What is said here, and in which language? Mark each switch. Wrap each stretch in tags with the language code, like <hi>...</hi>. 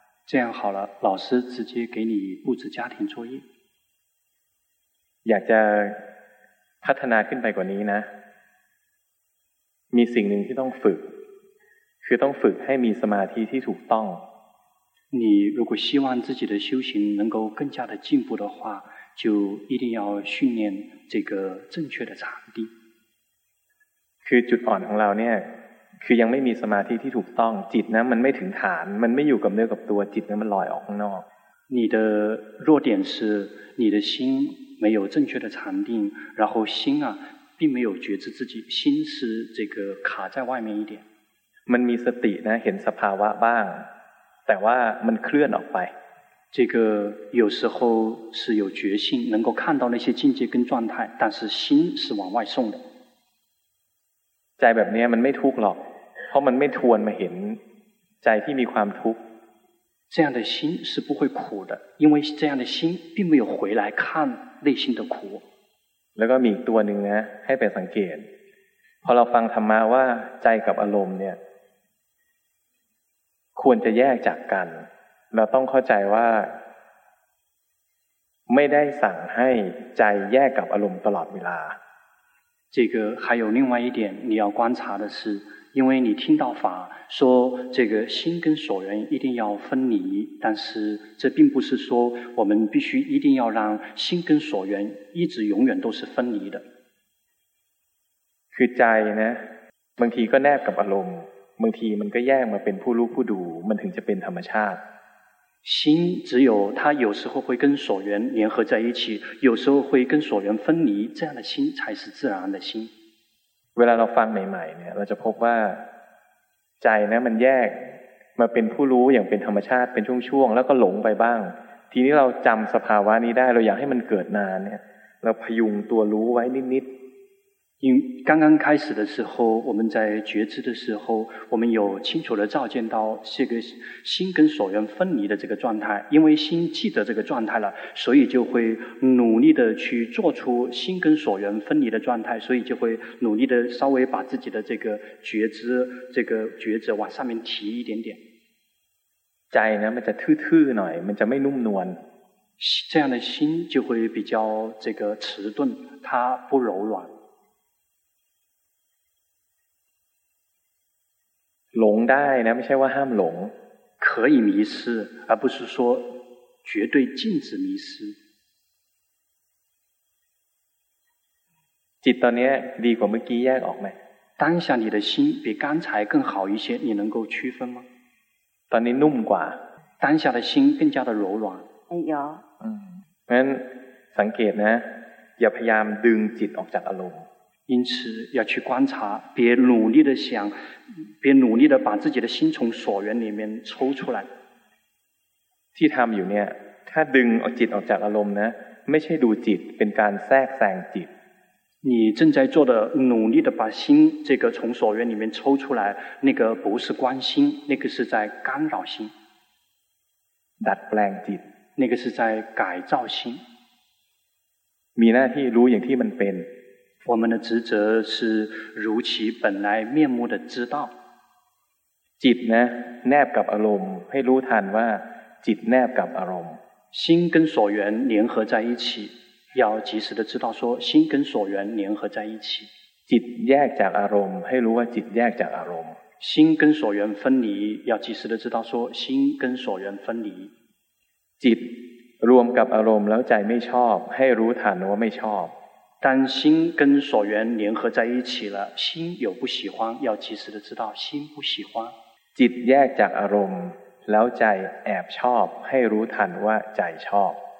<zh>这样好了，老师直接给你布置家庭作业。</zh> <th>อยากจะพัฒนาขึ้นไปกว่านี้นะมีสิ่งหนึ่งที่ต้องฝึกคือต้องฝึกให้มีสมาธิที่ถูกต้อง</th> <zh>你如果希望自己的修行能够更加的进步的话，就一定要训练这个正确的禅定。</zh> <th>คือจุดอ่อนของเราเนี่ยคือยังไม่มีสมาธิที่ถูกต้องจิตนะมันไม่ถึงฐานมันไม่อยู่กับเนื้อกับตัวจิตนะมันลอยออกข้างนอก</th> <zh>你的弱点是你的心没有正确的禅定，然后心啊并没有觉知自己，心是这个卡在外面一点。</zh> <th>มันมีสตินะเห็นสภาวะบ้างแต่ว่ามันเคลื่อนออกไป</th> <zh>这个有时候是有觉性能够看到那些境界跟状态，但是心是往外送的。</zh> <th>ใจแบบนี้มันไม่ทุกข์หรอกเพราะมันไม่ทวนมาเห็นใจที่มีความทุกข์</th> <zh>这样的心是不会苦的，因为这样的心并没有回来看内心的苦。</zh> <th>แล้วก็มีตัวนึงนะให้ไปสังเกตพอเราฟังธรรมะว่าใจกับอารมณ์เนี่ยควรจะแยกจากกันเราต้องเข้าใจว่าไม่ได้สั่งให้ใจแยกกับอารมณ์ตลอดเวลา</th> <zh>这个还有另外一点你要观察的是，因为你听到法说这个心跟所缘一定要分离，但是这并不是说我们必须一定要让心跟所缘一直永远都是分离的。</zh> <th>คือใจนะบางทีก็แนบกับอารมณ์บางทีมันก็แยกมาเป็นผู้รู้ผู้ดูมันถึงจะเป็นธรรมชาติ</th> <zh>心只有它有时候会跟所缘联合在一起，有时候会跟所缘分离，这样的心才是自然的心。</zh> <th>เวลาเราฟังใหม่ๆเนี่ยเราจะพบว่าใจนะมันแยกมาเป็นผู้รู้อย่างเป็นธรรมชาติเป็นช่วงๆแล้วก็หลงไปบ้างทีนี้เราจำสภาวะนี้ได้เราอยากให้มันเกิดนานเนี่ยเราพยุงตัวรู้ไว้นิดๆ</th> <zh>因刚刚开始的时候，我们在觉知的时候，我们有清楚的照见到这个心跟所缘分离的这个状态。因为心记得这个状态了，所以就会努力的去做出心跟所缘分离的状态，所以就会努力的稍微把自己的这个觉知，这个觉知往上面提一点点。</zh> <th>ใจนะมันจะทื่อๆหน่อยมันจะไม่นุ่มนวล</th> <zh>这样的心就会比较这个迟钝，它不柔软。</zh> <th>หลงได้นะไม่ใช่ว่าห้ามหลง</th> <zh>可以迷失，而不是说绝对禁止迷失。</zh> <th>จิตตอนนี้ดีกว่าเมื่อกี้แยกออกไหม</th> <zh>当下你的心比刚才更好一些，你能够区分吗？</zh> <th>ตอนนี้นุ่มกว่า</th> <zh>当下的心更加的柔软。哎呦。</zh> <th>งั้นสังเกตนะอย่าพยายามดึงจิตออกจากอารมณ์</th> <zh>因此要去观察，别努力的想，别努力的把自己的心从所缘里面抽出来。</zh> <th>ที่ทำอยู่เนี่ย ถ้าดึงจิตออกจากอารมณ์นะ ไม่ใช่ดูจิต เป็นการแทรกแซงจิต</th> <zh>你正在做的努力的把心这个从所缘里面抽出来，那个不是观心，那个是在干扰心。</zh> <th>ดัดแปลงจิต</th> <zh>那个是在改造心。</zh> <th>มีหน้าที่รู้อย่างที่มันเป็น วันนี้จะคือรู้ชี本来面目的知道 จิตนะแนบกับอารมณ์ให้รู้ทันว่าจิตแนบกับอารมณ์</th> <zh>心跟所缘联合在一起要及时的知道说心跟所缘联合在一起</zh> <th>จิตแยกจากอารมณ์ให้รู้ว่าจิตแยกจากอารมณ์</th> <zh>心跟所缘分离要及时的知道说心跟所缘分离</zh> <th>จิตรวมกับอารมณ์แล้วใจไม่ชอบให้รู้ทันว่าไม่ชอบ</th> <zh>当心跟所缘联合在一起了，心有不喜欢，要及时的知道心不喜欢。</zh> <th>จิตแยกจากอารมณ์แล้วใจแอบชอบให้รู้ทันว่าใจชอบ。</th>